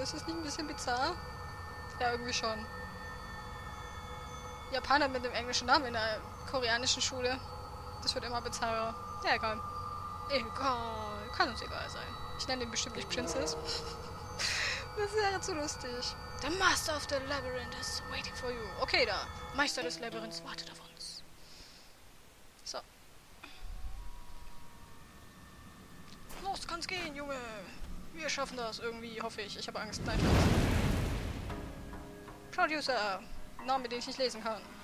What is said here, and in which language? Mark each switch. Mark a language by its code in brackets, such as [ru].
[de] Ist das nicht ein bisschen bizarr? Ja, irgendwie schon. Japaner mit einem englischen Namen in einer koreanischen Schule. Das wird immer bizarrer. Ja, egal. Egal. Kann uns egal sein. Ich nenne ihn bestimmt nicht Princess. Das wäre zu lustig. [en] The Master of the Labyrinth is waiting for you. [de] Okay, da. Meister des Labyrinths wartet auf uns. So. Los, komm! uns gehen, Junge. Wir schaffen das irgendwie, hoffe ich. Ich habe Angst. Nein, Schatz. Producer. Name, den ich nicht lesen kann.